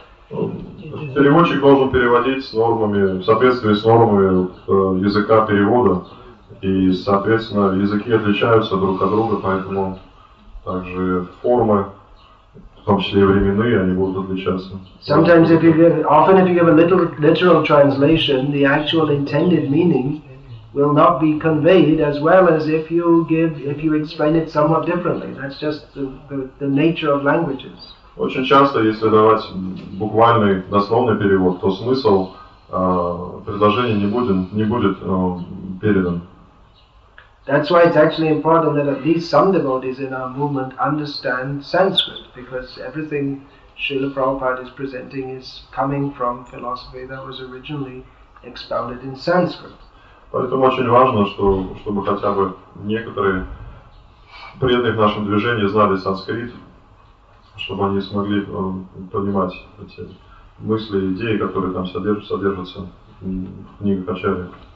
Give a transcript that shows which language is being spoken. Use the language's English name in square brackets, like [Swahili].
[Russian] Переводчик должен переводить с нормами, в соответствии с нормами языка перевода. И, соответственно, языки отличаются друг от друга, поэтому также формы, в том числе и временные, они будут отличаться. [English] Sometimes if you give, often if you give a literal translation, the actual intended meaning will not be conveyed as well as if you give, if you explain it somewhat differently. That's just the nature of languages. [Russian] Очень часто, если давать буквальный, дословный перевод, то смысл предложения не будет передан. [English] That's why it's actually important that at least some devotees in our movement understand Sanskrit, because everything Srila Prabhupada is presenting is coming from philosophy that was originally expounded in Sanskrit. [Russian] Поэтому очень важно, чтобы хотя бы некоторые преданные в нашем движении знали санскрит, чтобы они смогли понимать эти мысли, идеи, которые там содержатся в книгах Ачарьи.